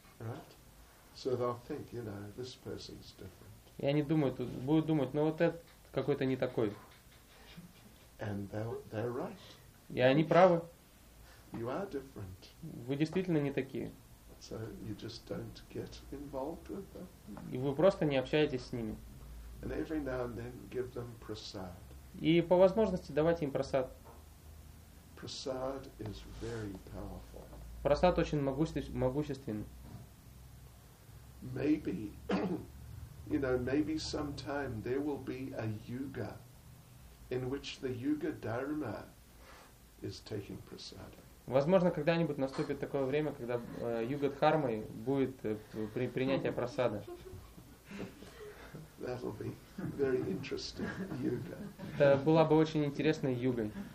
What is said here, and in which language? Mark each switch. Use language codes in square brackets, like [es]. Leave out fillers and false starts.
[en] Right. So they'll think, you know, this person's different. [ru] И они думают, будут думать, ну вот этот какой-то не такой. [en] And they're right. [ru] И они правы. [en] You are different. [ru] Вы действительно не такие. [en] So you just don't get involved with them. [ru] И вы просто не общаетесь с ними. [en] And every now and then give them prasad. [ru] И по возможности давайте им прасад. [en] Prasad is very powerful. [ru] Prasad очень могущественный. [en] Maybe, you know, maybe sometime there will be a yuga in which the yuga dharma is taking prasad. [ru] Возможно, когда-нибудь наступит такое время, когда юга дхармой будет принятие прасада. [en] That'll be very interesting yuga. [ru] Это была бы очень интересная юга.